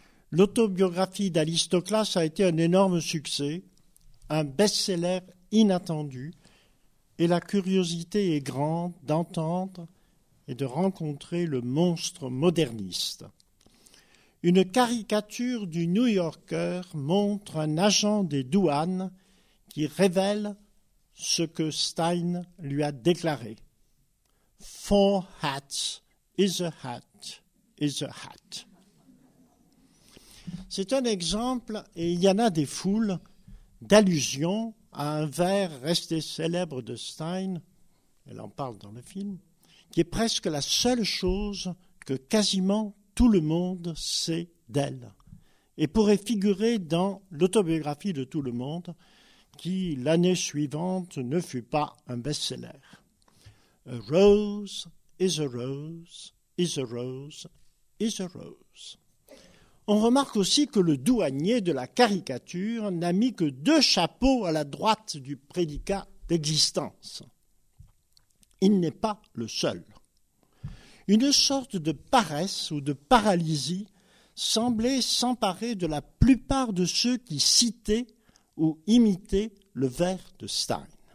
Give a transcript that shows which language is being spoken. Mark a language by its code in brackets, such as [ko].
[fr] L'autobiographie d'Alice Toklas a été un énorme succès, un best-seller inattendu, et la curiosité est grande d'entendre et de rencontrer le monstre moderniste. Une caricature du New Yorker montre un agent des douanes qui révèle ce que Stein lui a déclaré. [en] Four hats is a hat is a hat. [fr] C'est un exemple, et il y en a des foules, d'allusions à un vers resté célèbre de Stein, elle en parle dans le film, qui est presque la seule chose que quasiment tout le monde sait d'elle et pourrait figurer dans l'autobiographie de tout le monde qui, l'année suivante, ne fut pas un best-seller. [en] A rose is a rose is a rose is a rose. [fr] On remarque aussi que le douanier de la caricature n'a mis que deux chapeaux à la droite du prédicat d'existence. Il n'est pas le seul. Une sorte de paresse ou de paralysie semblait s'emparer de la plupart de ceux qui citaient ou imitaient le vers de Stein.